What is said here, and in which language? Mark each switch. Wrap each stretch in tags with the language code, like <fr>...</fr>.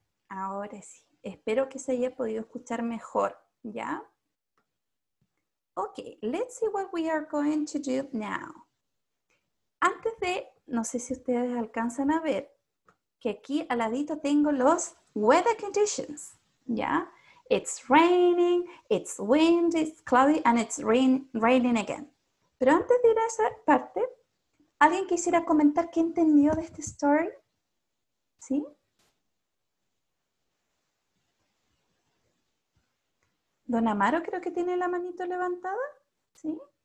<es>Ahora sí, espero que se haya podido escuchar mejor, ¿ya?</es> <en>Okay, let's see what we are going to do now.</en> <es>Antes de, no sé si ustedes alcanzan a ver, que aquí al ladito tengo los weather conditions, ¿ya?</es> <en>It's raining, it's windy, it's cloudy, and it's raining again.</en> <es>Pero antes de ir a esa parte, ¿alguien quisiera comentar qué entendió de esta story? ¿Sí? Don Amaro, creo que tiene la manito levantada. ¿Sí?</es>